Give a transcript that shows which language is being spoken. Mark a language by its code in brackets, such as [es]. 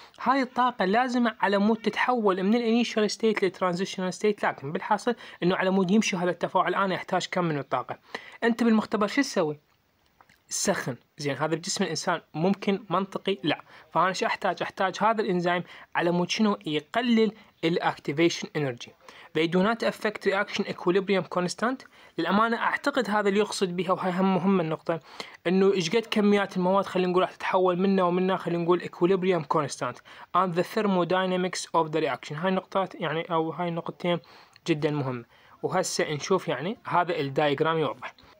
[ar] هاي الطاقه لازمه على مود تتحول من الانيشال ستيت للترانزيشنال ستيت، لكن بالحاصل انه على مود يمشي هذا التفاعل انا احتاج كم من الطاقه. انت بالمختبر شو تسوي؟ سخن. زين، هذا بجسم الانسان ممكن منطقي؟ لا. فانا شو احتاج؟ احتاج هذا الانزيم على مود شنو؟ يقلل الاكتيفيشن انرجي. [en] They do not affect reaction equilibrium constant. [ar] للأمانة أعتقد هذا اللي يقصد بها، وهي هم مهمة النقطة، إنه إيش قد كميات المواد خلينا نقول راح تتحول منا ومنا، خلينا نقول [en] equilibrium constant and the thermodynamics of the reaction. [ar] هاي النقطات يعني أو هاي النقطتين جدا مهمة. وهسه نشوف يعني هذا الدايجرام يوضح.